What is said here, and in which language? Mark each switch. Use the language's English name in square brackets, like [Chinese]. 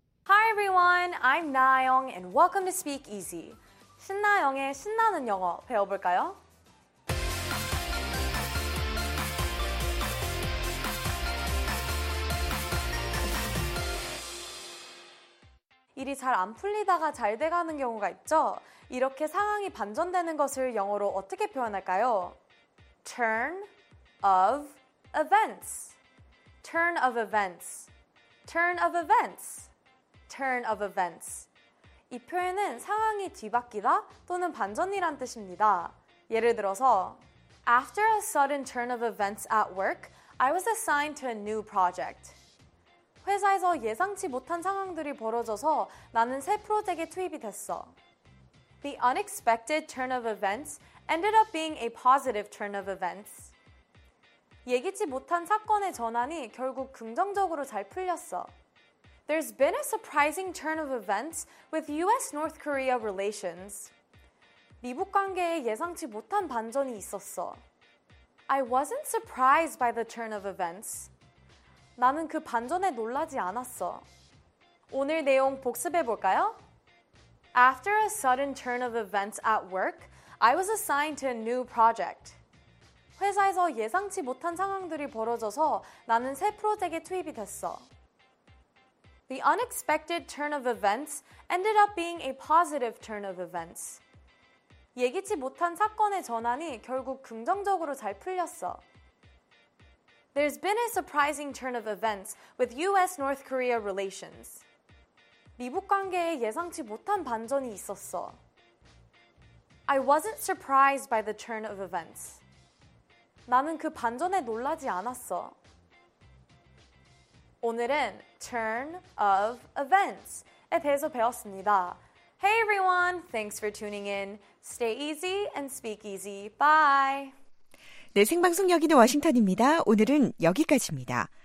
[English] Hi everyone, I'm Na-young and welcome to Speak Easy. [Korean] 신나영의 신나는 영어 배워볼까요? 일이 잘 안 풀리다가 잘 돼가는 경우가 있죠? 이렇게 상황이 반전되는 것을 영어로 어떻게 표현할까요? [English] Turn of events. Turn of events. Turn of events. Turn of events. [Korean] 이 표현은 상황이 뒤바뀌다 또는 반전이란 뜻입니다. 예를 들어서 [English] After a sudden turn of events at work, I was assigned to a new project. [Korean] 회사에서 예상치 못한 상황들이 벌어져서 나는 새 프로젝트에 투입이 됐어. [English] The unexpected turn of events ended up being a positive turn of events. [Korean] 예기치 못한 사건의 전환이 결국 긍정적으로 잘 풀렸어. [English] There's been a surprising turn of events with US-North Korea relations. [Korean] 미국 관계에 예상치 못한 반전이 있었어. [English] I wasn't surprised by the turn of events. [Korean] 나는 그 반전에 놀라지 않았어. 오늘 내용 복습해 볼까요? [English] After a sudden turn of events at work, I was assigned to a new project. [Korean] 회사에서 예상치 못한 상황들이 벌어져서 나는 새 프로젝트에 투입이 됐어. [English] The unexpected turn of events ended up being a positive turn of events. [Korean] 예기치 못한 사건의 전환이 결국 긍정적으로 잘 풀렸어. [English] There's been a surprising turn of events with US-North Korea relations. [Korean] 미국 관계에 예상치 못한 반전이 있었어. [English] I wasn't surprised by the turn of events. [Korean] 나는 그 반전에 놀라지 않았어. 오늘은 Turn of Events에 대해서 배웠습니다. [English] Hey everyone, thanks for tuning in. Stay easy and speak easy. Bye. [Korean] 네, 생방송 여기는 워싱턴입니다. 오늘은 여기까지입니다.